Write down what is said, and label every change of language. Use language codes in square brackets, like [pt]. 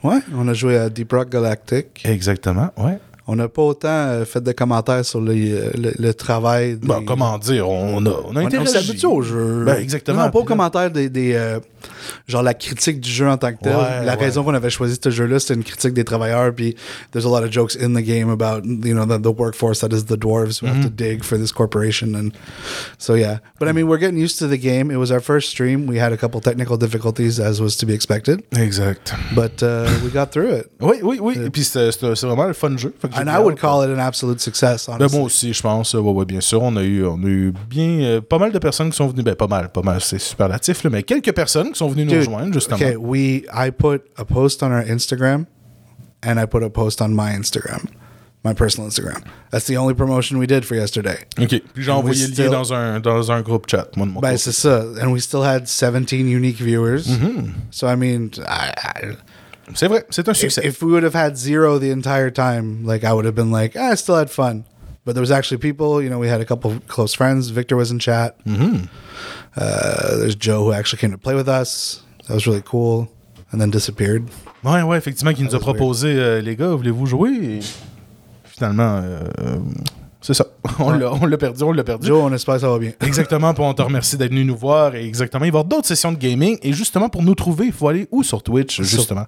[fr] Ouais, on a joué à Deep Rock Galactic. Exactement, ouais. On n'a pas autant fait de commentaires sur le travail. Des... Ben, comment dire, on a interagi. On s'est habitué au jeu. Ben, exactement. Non, pas aux commentaires genre la critique du jeu en tant que tel. La raison qu'on avait choisi ce jeu-là, c'est une critique des travailleurs. [en] Puis, there's a lot of jokes in the game about, you know, the workforce that is the dwarves who have to dig for this corporation. And so, yeah. But, I mean, we're getting used to the game. It was our first stream. We had a couple technical difficulties, as was to be expected. [fr] Exact. [en] But we got through it. [fr] Oui. Et puis, c'est vraiment le fun jeu. [en] And I would call it an absolute success, honestly. [fr] Mais moi aussi, je pense. Ouais, bien sûr. On a eu pas mal de personnes qui sont venues. Ben, pas mal. C'est superlatif, là. Mais quelques personnes qui sont venues nous rejoindre, justement. [en] Okay, I put a post on our Instagram, and I put a post on my Instagram. My personal Instagram. That's the only promotion we did for yesterday. OK. [fr] Puis j'ai envoyé le lien dans un groupe chat. Ben, c'est ça. [en] And we still had 17 unique viewers. Mm-hmm. So, I mean, [fr] c'est vrai, c'est un succès. [en] If we would have had zero the entire time, like I would have been like, I still had fun. But there was actually people, you know, we had a couple of close friends. Victor was in chat. Mm-hmm. There's Joe who actually came to play with us. That was really cool. And then disappeared. [fr] Ouais, effectivement, qui nous a proposé, les gars, voulez-vous jouer? Et finalement, c'est ça. On l'a perdu. Joe, on espère que ça va bien. Exactement, puis on te remercie d'être venu nous voir. Et exactement, il va y avoir d'autres sessions de gaming. Et justement, pour nous trouver, il faut aller où sur Twitch, justement?